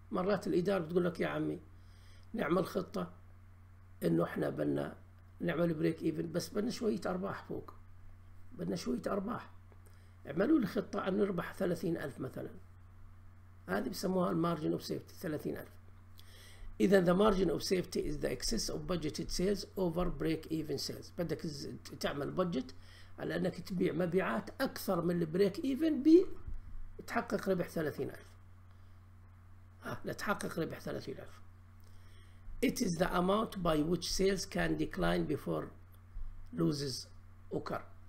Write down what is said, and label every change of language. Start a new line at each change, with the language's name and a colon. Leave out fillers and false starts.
Arabic: مرات الاداره بتقول لك يا عمي نعمل خطه انه احنا بدنا نعمل بريك ايفن، بس بدنا شويه ارباح فوق، بدنا شويه ارباح. اعملوا لي خطه انه نربح 30,000 مثلا، هذه بسموها المارجن اوف سيفتي 30,000.
English: اذا the margin of safety is the excess of budgeted sales over break even sales.
Arabic: بدك تعمل بجت على انك تبيع مبيعات اكثر من البريك ايفن بتحقق ربح 30,000. لتحقق ربح 30,000.
English: It is the amount by which sales can decline before losses occur.